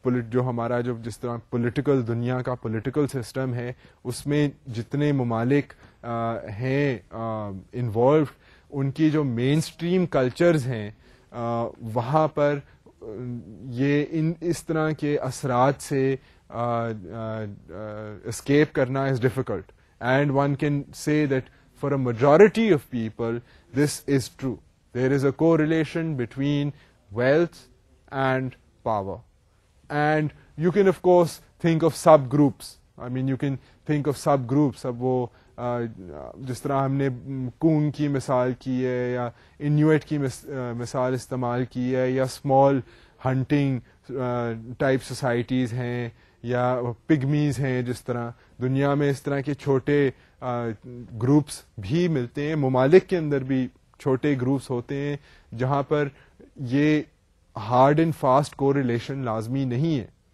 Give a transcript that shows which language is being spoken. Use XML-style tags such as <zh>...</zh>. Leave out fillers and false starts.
<ur>جو ہمارا جو جس طرح پولیٹیکل دنیا کا پولیٹیکل سسٹم ہے اس میں جتنے ممالک ہیں انوالوڈ ان کی جو مین اسٹریم کلچرز ہیں وہاں پر یہ اس طرح کے اثرات سے اسکیپ کرنا is difficult.</ur> <en>And one can say that for a majority of people this is true. There is a correlation between wealth and power. And you can of course think of subgroups. I mean you can think of subgroups.</en> <ur>اب وہ جس طرح ہم نے کون کی مثال کی ہے یا انیوٹ کی مثال استعمال کی ہے یا اسمال ہنٹنگ ٹائپ سوسائٹیز ہیں یا پگمیز ہیں. جس طرح دنیا میں اس طرح کے چھوٹے گروپس بھی ملتے ہیں, ممالک کے اندر بھی چھوٹے گروپس ہوتے ہیں جہاں پر یہ ہارڈ اینڈ فاسٹ کوریلیشن لازمی نہیں ہے.</ur>